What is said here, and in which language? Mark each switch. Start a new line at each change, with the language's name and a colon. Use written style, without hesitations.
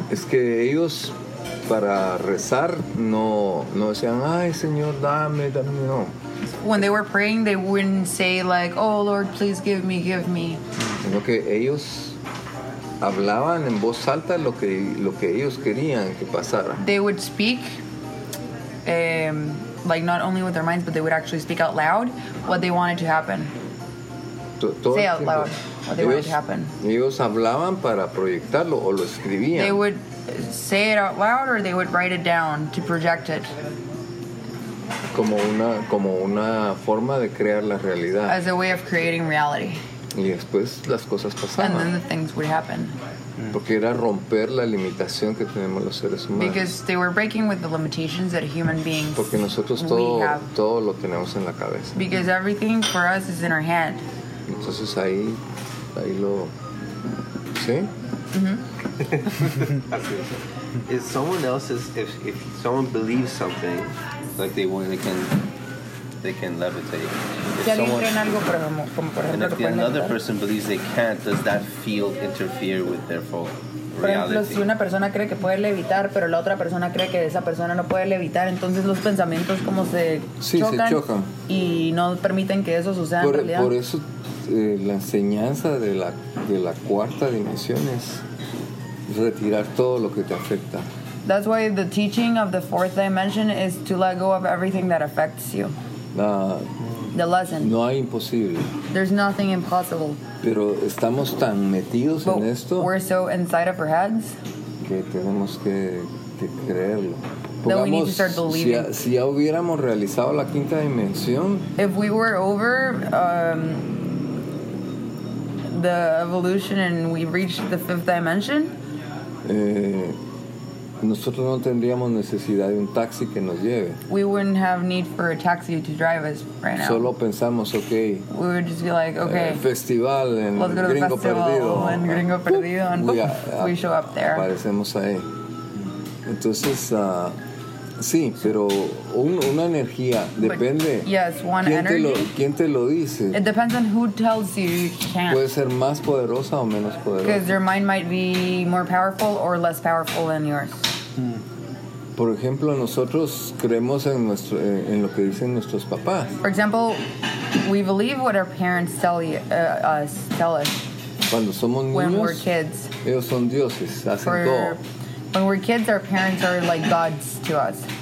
Spanish: Es que ellos para rezar no decían ay señor dame no.
English: When they were praying, they wouldn't say like, oh Lord, please give me.
Spanish: Sino que ellos hablaban en voz alta lo que ellos querían que pasara.
English: They would speak, like not only with their minds, but they would actually speak out loud what they wanted to happen.
Spanish: Ellos hablaban para proyectarlo o lo escribían.
English: They would say it out loud or they would write it down to project it.
Spanish: Como una forma de crear la realidad.
English: As a way of creating reality.
Spanish: Y después las cosas pasaban.
English: And then the things would happen.
Spanish: Porque era romper la limitación que tenemos los seres humanos.
English: Because they were breaking with the limitations that human beings have.
Spanish: Porque nosotros todo lo tenemos en la cabeza.
English: Because everything for us is in our hand.
Spanish: Entonces ahí lo. ¿Sí? Mm-hmm.
English: If someone else is. If someone believes something, like they want, they can levitate. If another person believes they can't, does that field interfere with their fault?
Spanish: Por ejemplo, si una persona cree que puede levitar, pero la otra persona cree que esa persona no puede levitar, entonces los pensamientos como se chocan, se choca. Y no permiten que eso suceda por, en realidad. Por eso la enseñanza de la cuarta dimensión es retirar todo lo que te afecta.
English: That's why the teaching of the fourth dimension is to let go of everything that affects you. The lesson.
Spanish: No hay imposible.
English: There's nothing impossible.
Spanish: Pero estamos tan metidos
English: but
Spanish: en esto.
English: We're so inside of our heads.
Spanish: Que tenemos que creerlo.
English: That we need to start believing.
Spanish: Si ya hubiéramos realizado la quinta dimensión.
English: If we were over the evolution and we reached the fifth dimension.
Spanish: Nosotros no tendríamos necesidad de un taxi que nos lleve.
English: We wouldn't have need for a taxi to drive us right now.
Spanish: Solo pensamos, okay.
English: We would just be like, okay.
Spanish: Festival en Gringo Perdido.
English: En Gringo Perdido. We show up there.
Spanish: Aparecemos ahí. Entonces, sí, pero una energía depende.
English: But, yes, one
Spanish: quién
English: energy.
Spanish: ¿Quién te lo dice?
English: It depends on who tells you you can't.
Spanish: Puede ser más poderosa o menos poderosa.
English: Because your mind might be more powerful or less powerful than yours.
Spanish: Por ejemplo, nosotros creemos en lo que dicen nuestros papás.
English: For example, we believe what our parents tell us.
Spanish: Cuando somos niños,
English: when we're kids,
Spanish: ellos son dioses, hacen todo.
English: When we're kids, our parents are like gods to us.